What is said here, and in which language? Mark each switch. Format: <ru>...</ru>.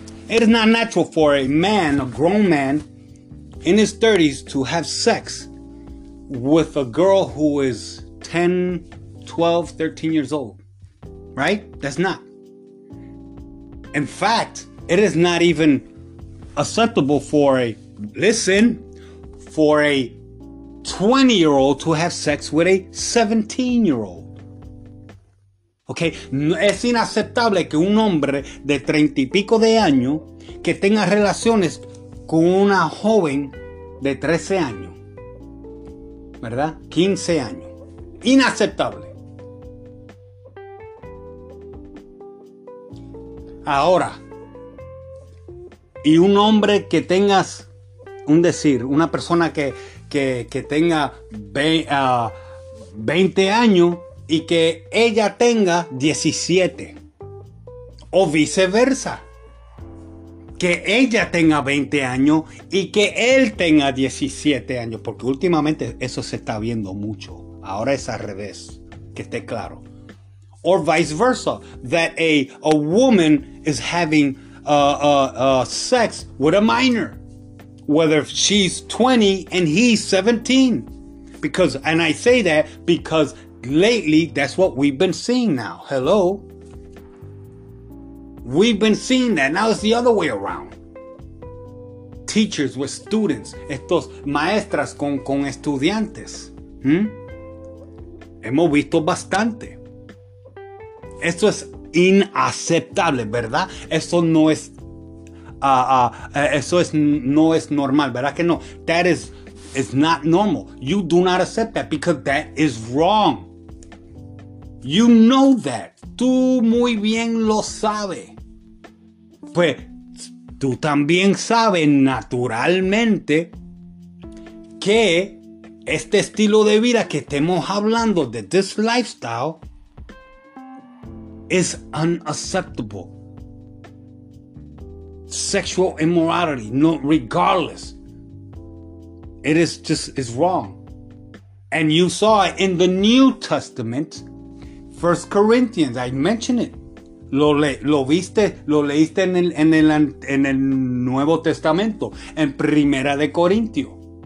<en>It is not natural for a man, a grown man, in his 30s to have sex with a girl who is 10, 12, 13 years old. Right? That's not. In fact, it is not even acceptable for a 20-year-old to have sex with a 17-year-old. Okay?</en> <es>Es inaceptable que un hombre de 30 y pico de año que tenga relaciones con una joven de 13 años. ¿Verdad? 15 años. Inaceptable. Ahora, y un hombre que tengas un decir, una persona que tenga 20 años y que ella tenga 17, o viceversa, que ella tenga 20 años y que él tenga 17 años, porque últimamente eso se está viendo mucho, ahora es al revés, que esté claro.</es> <en>Or vice versa, that a woman is having sex with a minor, whether she's 20 and he's 17. Because, and I say that because lately that's what we've been seeing now. Hello? We've been seeing that. Now it's the other way around. Teachers with students,</en> <es>estos maestras con estudiantes. Hemos visto bastante. Esto es inaceptable, ¿verdad? Eso no es eso no es normal, ¿verdad que no?</es> <en>That is not normal. You do not accept that because that is wrong. You know that.</en> <es>Tú muy bien lo sabes. Pues tú también sabes naturalmente que este estilo de vida que estemos hablando de</es> <en>this lifestyle is unacceptable. Sexual immorality, no, regardless. It is just, it's wrong. And you saw it in the New Testament, 1 Corinthians, I mentioned it.</en> <es>Lo leíste en el Nuevo Testamento, en Primera de Corintio.</es>